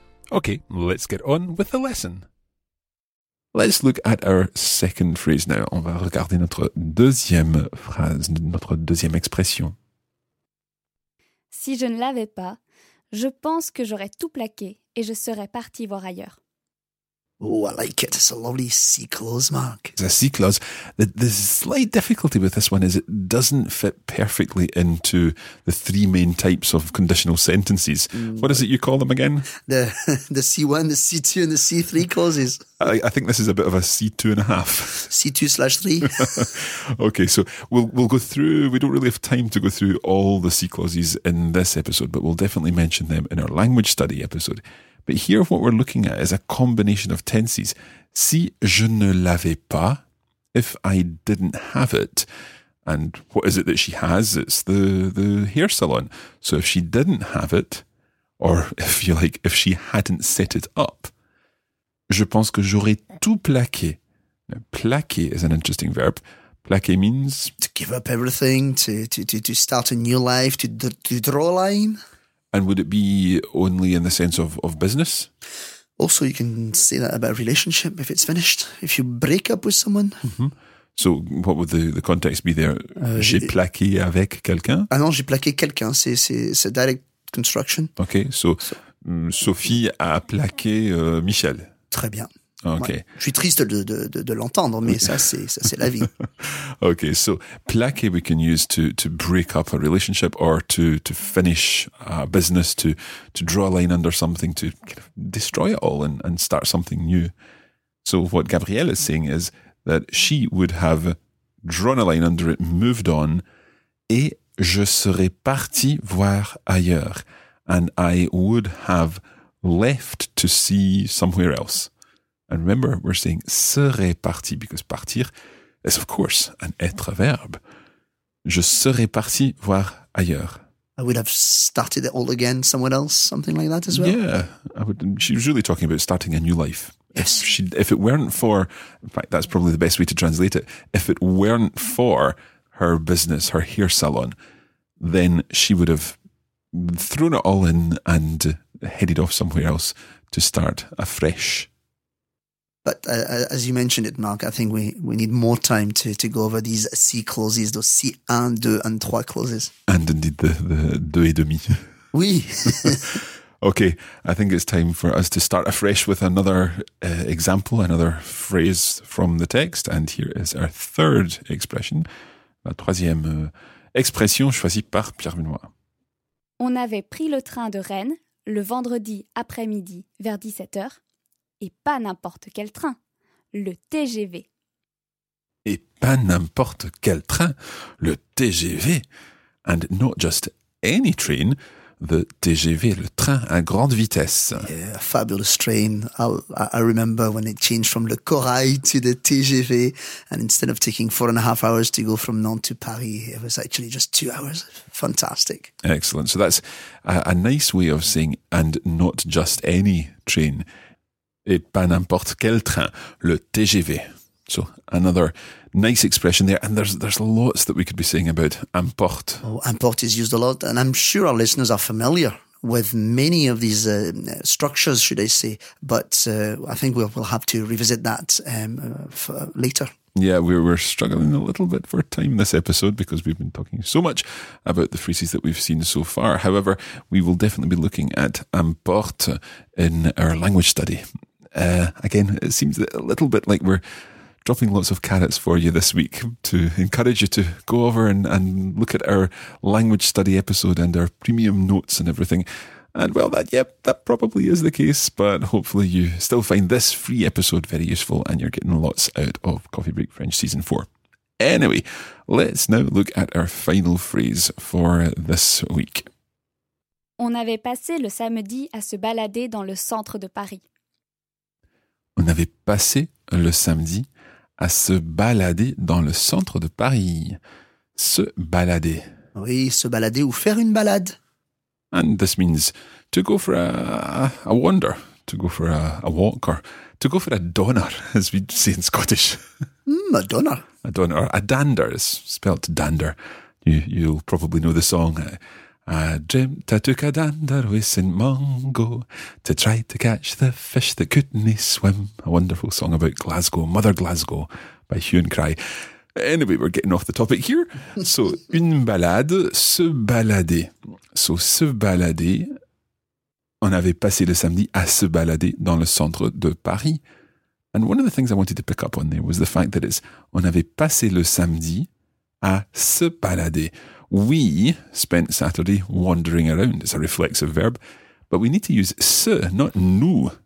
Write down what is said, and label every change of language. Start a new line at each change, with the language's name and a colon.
English: Okay, let's get on with the lesson. Let's look at our second phrase now.
French: On va regarder notre deuxième phrase, notre deuxième expression. Si je ne l'avais pas, je pense que j'aurais tout plaqué et je serais parti voir ailleurs.
English: Oh, I like it. It's a lovely C clause, Mark. It's a C clause. The slight difficulty with this one is it doesn't fit perfectly into the three main types of conditional sentences. What is it you call them again? The C1, the C2 and the C3 clauses. I think this is a bit of a C2.5. C2/3. Okay, so we'll go through, we don't really have time to go through all the C clauses in this episode, but we'll definitely mention them in our language study episode. But here what we're looking at is a combination of tenses.
French: Si je ne l'avais pas,
English: if I didn't have it. And what is it that she has? It's the hair salon. So if she didn't have it, or if you like, if she hadn't set it up.
French: Je pense que j'aurais tout plaqué.
English: Now, plaqué is an interesting verb. Plaqué means... to give up everything, to start a new life, to draw a line. And would it be only in the sense of business? Also, you can say that about relationship if it's finished. If you break up with someone. Mm-hmm. So what would the context be there?
French: J'ai plaqué avec quelqu'un? Ah non, j'ai plaqué quelqu'un. C'est
English: a direct construction. Okay, so
French: Sophie a plaqué Michel. Très bien.
English: Okay.
French: Ouais. Je suis triste de l'entendre, mais ça c'est la vie.
English: Okay, so plaqué we can use to break up a relationship or to finish a business, to draw a line under something, to kind of destroy it all and start something new. So what Gabrielle is saying is that she would have drawn a line under it, moved on,
French: et je serais parti voir ailleurs,
English: and I would have left to see somewhere else. And remember, we're saying
French: serais parti,
English: because partir is, of course, an être verb. Je serais parti voir ailleurs. I would have started it all again, someone else, something like that as well. Yeah, she was really talking about starting a new life. Yes. If it weren't for, in fact, that's probably the best way to translate it. If it weren't for her business, her hair salon, then she would have thrown it all in and headed off somewhere else to start afresh. But as you mentioned it, Mark, I think we need more time to go over these C clauses, those C1, 2 and 3 clauses. And indeed the 2
French: et demi. Oui.
English: Okay, I think it's time for us to start afresh with another example, another phrase from the text. And here is our third expression,
French: la troisième expression choisie par
English: Pierre Benoît.
French: On avait pris le train de Rennes le vendredi après-midi vers 17h, et pas n'importe quel train, le TGV. Et pas n'importe quel train, le TGV,
English: and not just any train, the TGV,
French: le train à grande vitesse.
English: Yeah, a fabulous train. I remember when it changed from le Corail to the TGV, and instead of taking 4.5 hours to go from Nantes to Paris, it was actually just 2 hours. Fantastic. Excellent. So that's a nice way of saying, and not just any train.
French: Et pas n'importe quel train, le TGV.
English: So another nice expression there. And there's lots that we could be saying about importe. Oh, importe is used a lot. And I'm sure our listeners are familiar with many of these structures, should I say. But I think we'll have to revisit that later. Yeah, we're struggling a little bit for time this episode because we've been talking so much about the phrases that we've seen so far. However, we will definitely be looking at importe in our language study. Again, it seems a little bit like we're dropping lots of carrots for you this week to encourage you to go over and look at our language study episode and our premium notes and everything. And well, that probably is the case, but hopefully you still find this free episode very useful and you're getting lots out of Coffee Break French Season 4. Anyway, let's now look at our final phrase for this week.
French: On avait passé le samedi à se balader dans le centre de Paris. On avait passé le samedi à se balader dans le centre de Paris. Se balader. Oui, se balader ou faire une balade.
English: And this means to go for a wander, to go for a walk, or to go for a donner, as we say in Scottish. A donner. A donner. A dander is spelt dander. You'll probably know the song. I dreamt I took a dander with St. Mungo to try to catch the fish that couldn't swim. A wonderful song about Glasgow, Mother Glasgow, by Hugh and Cry. Anyway, we're getting off the topic here.
French: So, une balade, se balader. So, se balader, on avait passé le samedi à se balader dans le centre de Paris.
English: And one of the things I wanted to pick up on there was the fact that it's
French: on avait passé le samedi à se balader.
English: We spent Saturday wandering around. It's a reflexive verb. But we need to use se, not nous.